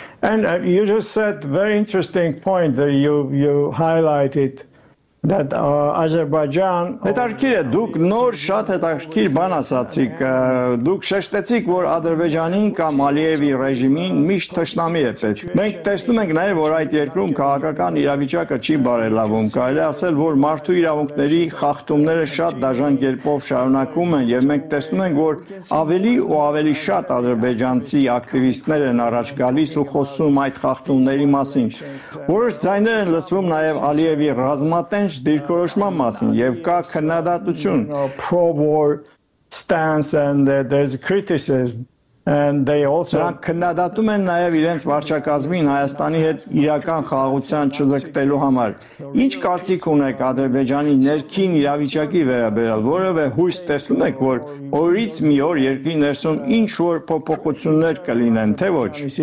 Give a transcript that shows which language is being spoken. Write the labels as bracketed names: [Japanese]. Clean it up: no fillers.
[English] And you just said very interesting point that you highlighted that Azerbaijan [Armenian] հետաքրքիր է, դուք նոր շատ հետաքրքիր բան ասացիք, դուք շեշտեցիք, որ Ադրբեջանի կամ Ալիևի ռեժիմին միշտ թշնամի է պետք։ Մենք տեսնում ենք նաև, որ այդ երկրում քաղաքական իրավիճակը չի բարելավում, կարելի ասել, որ մարդու իրավունքների խախտումները շատ դաժան կերպով շարունակվում են, և մենք տեսնում ենք, որ ավելի ու ավելի շատ ադրբեջանցի ակտիվիստներ են առաջ գալիս ու խոսում այդ խախտումների մասին։ Որոշ ձայներ են լսվում նաև Ալիևի ռազմատեսության դիրքորոշման մասին, և կա քննադատություն, [English] pro-war stance, and there's criticism, and they also [Armenian] քննադատում են նաև իրենց վարչակազմին Հայաստանի հետ իրական խաղաղության չձգտելու համար։ Ինչ կարծիք ունեք Ադրբեջանի ներքին իրավիճակի վերաբերյալ, որևէ հույս տեսնում եք, որ օրից մի օր երկրի ներսում ինչ որ փոփոխություններ կլինեն, թե ոչ?